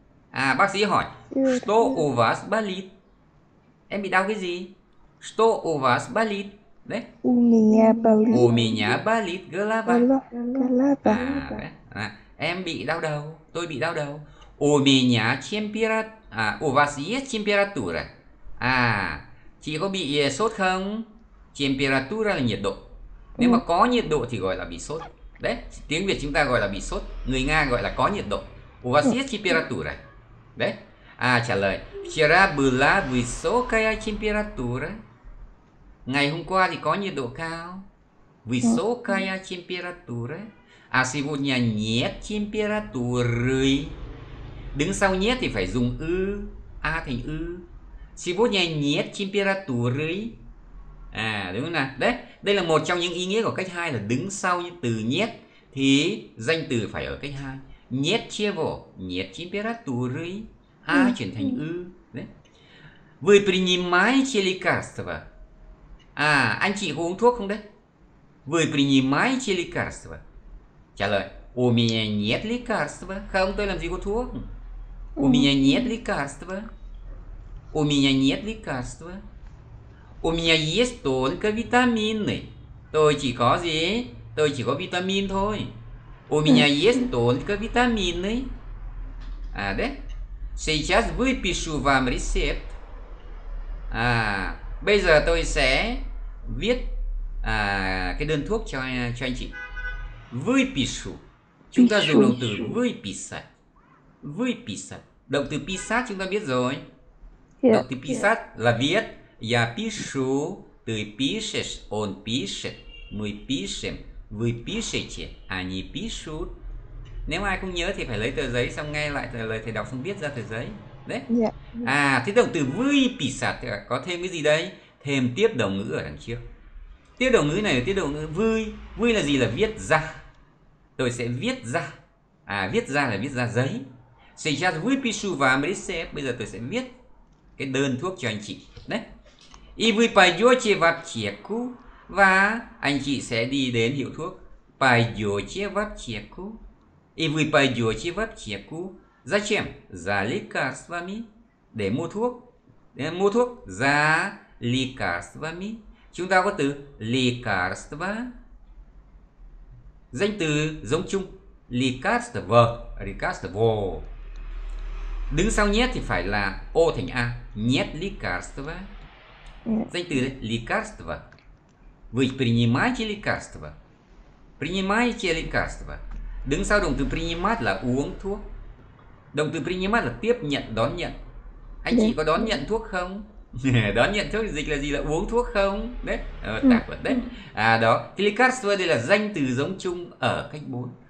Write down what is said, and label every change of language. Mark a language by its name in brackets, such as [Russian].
[Vietnamese] À bác sĩ hỏi, [Russian] "Что у вас болит?" [Vietnamese] Em bị đau cái gì? [Russian] "Что у вас болит?" [Vietnamese] Đấy. [Russian] "У меня болит голова." [Vietnamese] À đấy. À, em bị đau đầu, tôi bị đau đầu. [Russian] "У меня температура." À, "У вас есть температура?" [Vietnamese] À, chị có bị sốt không? Температура là nhiệt độ. Nếu mà có nhiệt độ thì gọi là bị sốt. Đấy, tiếng Việt chúng ta gọi là bị sốt, người Nga gọi là có nhiệt độ. [Russian] "У вас есть температура?" [Vietnamese] Đấy. À trả lời, [Russian] "Вчера была высокая температура." [Vietnamese] Ngày hôm qua thì có nhiệt độ cao. [Russian] "Высокая температура." À сегодня нет температуры. [Vietnamese] Đứng sau нет thì phải dùng ư, a thành ư. [Russian] "Сегодня нет температуры." [Vietnamese] À đúng không nào? Đấy, đây là một trong những ý nghĩa của cách 2 là đứng sau những từ nhét thì danh từ phải ở cách 2. Nhét chia vô, nhét температуры. A chuyển thành ư. Đấy. [Russian] Вы принимаете лекарства? [Vietnamese] À, anh chị có uống thuốc không đấy? [Russian] Вы принимаете лекарства? [Vietnamese] Trả lời, [Russian] у меня нет лекарства. [Vietnamese] Không, tôi làm gì có thuốc? [Russian] У меня нет лекарства. У меня нет лекарства. У меня есть только витамины. [Vietnamese] Tôi chỉ có gì? Tôi chỉ có vitamin thôi. [Russian] У меня есть только витамины. [Vietnamese] À đấy. [Russian] Сейчас выпишу вам рецепт. [Vietnamese] À, bây giờ tôi sẽ viết cái đơn thuốc cho anh chị. [Russian] Выпишу. [Vietnamese] Chúng ta dùng động từ выписать. [Russian] Выписать. [Vietnamese] Động từ писать chúng ta biết rồi. Động từ писать là viết. [Russian] Я пишу. Ты пишешь. Он пишет. Мы пишем. Вы пишете. Они пишут. [Vietnamese] Nếu ai không nhớ thì phải lấy tờ giấy xong nghe lại lời thầy đọc xong viết ra tờ giấy. Đấy. À, thế động từ vui pì sạt thì có thêm cái gì đây? Thêm tiếp động ngữ ở đằng trước. Tiếp động ngữ này là tiếp động ngữ vui. Vui là gì? Là viết ra. Tôi sẽ viết ra. À, viết ra là viết ra giấy. Сейчас выпишу вам рецепт. Bây giờ tôi sẽ viết cái đơn thuốc cho anh chị. Đấy. [Russian] И вы пойдете в аптеку. [Vietnamese] Và anh chị sẽ đi đến hiệu thuốc. [Russian] Пойдете в аптеку. И вы пойдете в аптеку. Зачем? За лекарствами. [Vietnamese] Để mua thuốc. Để mua thuốc. [Russian] За лекарствами. [Vietnamese] Chúng ta có từ лекарства. Danh từ giống chung. Лекарство. Лекарство. Đứng sau нhét thì phải là O thành A. [Russian] Нет лекарства. [Vietnamese] Danh từ đấy. [Russian] Лекарство. Вы принимаете лекарство? Принимаете лекарство? [Vietnamese] Đứng sau động từ принимать là uống thuốc. Động từ принимать là tiếp nhận, đón nhận. Anh chị có đón nhận thuốc không? Đón nhận thuốc dịch là gì? Là uống thuốc không? Đấy, tạp vật đấy. À đó, lekarstvo đây là danh từ giống chung ở cách 4.